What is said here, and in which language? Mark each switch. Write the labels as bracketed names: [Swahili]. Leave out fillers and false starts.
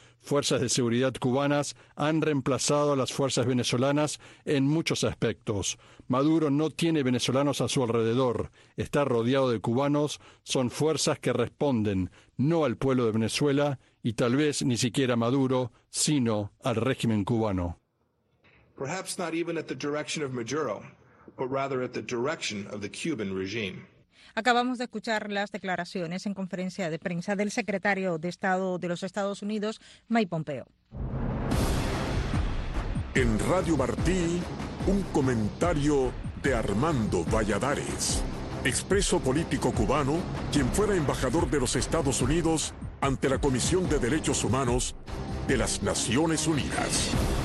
[Spanish] Fuerzas de seguridad cubanas han reemplazado a las fuerzas venezolanas en muchos aspectos. Maduro no tiene venezolanos a su alrededor. Está rodeado de cubanos. Son fuerzas que responden, no al pueblo de Venezuela y tal vez ni siquiera a Maduro, sino al régimen cubano. [English] Perhaps not even at the direction of Maduro, but rather at the direction of the Cuban regime. [Spanish] Acabamos de escuchar las declaraciones en conferencia de prensa del secretario de Estado de los Estados Unidos, Mike Pompeo. En Radio Martí, un comentario de Armando Valladares, expreso político cubano, quien fuera embajador de los Estados Unidos ante la Comisión de Derechos Humanos de las Naciones Unidas.